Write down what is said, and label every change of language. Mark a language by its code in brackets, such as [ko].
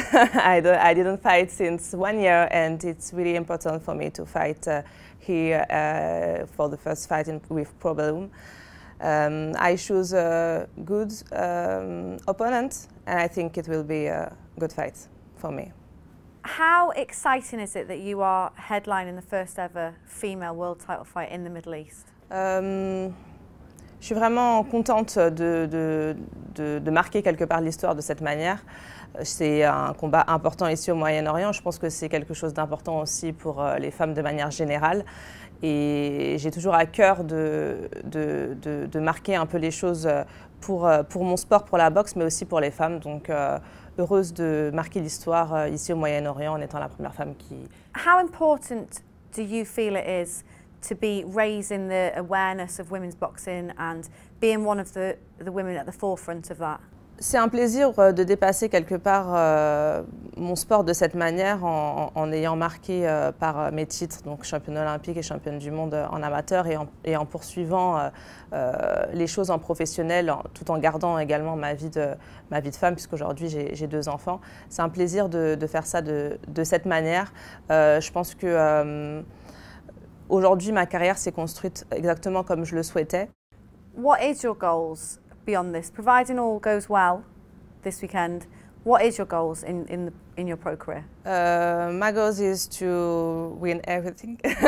[en] I didn't fight since 1 year, and it's really important for me to fight here for the first fight with Pro Bellum. I choose a good opponent, and I think it will be a good fight for me. How exciting is it that you are headlining the first ever female world title fight in the Middle East? [fr] Je suis vraiment contente de marquer quelque part l'histoire de cette manière. C'est un combat important ici au Moyen-Orient. Je pense que c'est quelque chose d'important aussi pour les femmes de manière générale. Et j'ai toujours à cœur de marquer un peu les choses pour mon sport, pour la boxe, mais aussi pour les femmes. Donc heureuse de marquer l'histoire ici au Moyen-Orient en étant la première femme qui... [en] How important do you feel it is to be raising the awareness of women's boxing and being one of the women at the forefront of that? [fr] C'est un plaisir de dépasser quelque part mon sport de cette manière en ayant marqué par mes titres, donc championne olympique et championne du monde en amateur, et en poursuivant les choses en professionnel, tout en gardant également ma vie de femme, puisqu'aujourd'hui j'ai deux enfants. C'est un plaisir de faire ça de cette manière. Je pense que aujourd'hui, ma carrière s'est construite exactement comme je le souhaitais. [en] What is your goals beyond this? Providing all goes well this weekend, what is your goals in your pro career? My goals is to win everything.